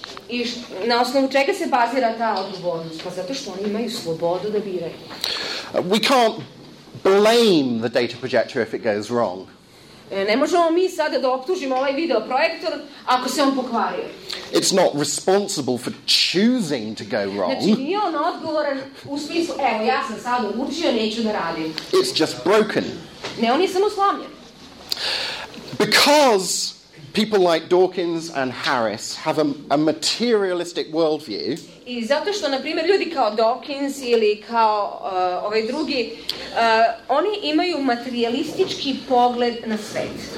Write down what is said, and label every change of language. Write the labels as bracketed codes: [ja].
[sr] I na osnovu čega se bazira ta odgovornost? Pa zato što oni imaju slobodu da biraju. [en] We can't blame the data projector if it goes wrong. [sr] Ne možemo mi sada da optužimo ovaj video projektor ako se on pokvario. [en] It's not responsible for choosing to go wrong. [sr] Znači, nije on odgovoran u smislu, evo, ja sam sada učio, neću da radim. [en] It's just broken. [sr] Ne, on je samo slomljen. [en] Because people like Dawkins and Harris have a materialistic worldview. [sr] I zato što, na primjer, ljudi kao Dawkins ili kao ovaj drugi, oni imaju materialistički pogled na svet.